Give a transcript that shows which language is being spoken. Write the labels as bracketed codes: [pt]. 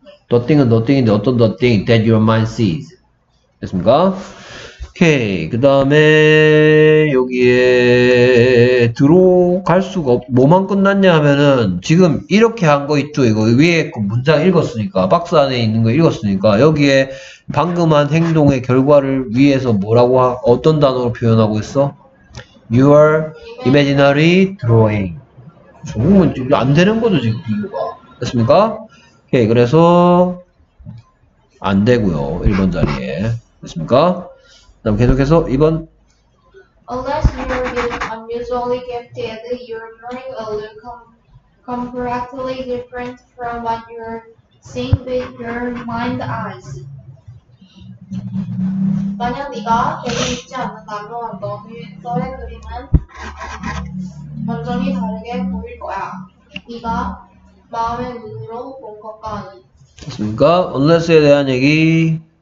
[en] The thing은 the thing인데 [ko] 어떤 [en] the thing that your mind sees. [ko] 됐습니까? 오케이. 그 다음에 여기에 들어갈 수가 없, 뭐만 끝났냐 하면은 지금 이렇게 한 거 있죠. 이거 위에 문장 읽었으니까 박스 안에 있는 거 읽었으니까 여기에 방금 한 행동의 결과를 위해서 뭐라고 어떤 단어로 표현하고 있어? [en] Your imaginary drawing. [ko] 조금은 좀 안 되는 거죠 지금 비교가. 됐습니까? 오케이. 그래서 안 되고요. 1번 자리에. 됐습니까? 그럼 계속해서 2번. [en] Unless you're unusually gifted, you're drawing a look completely different from what you're seeing with your mind eyes. [ko] 만약 네가 대리 있지 않는다면 너의 그림은 완전히 다르게 보일 거야. 네가 마음의 눈으로 본 것과는. 그렇습니까? [en] Unless에 [ko] 대한 얘기.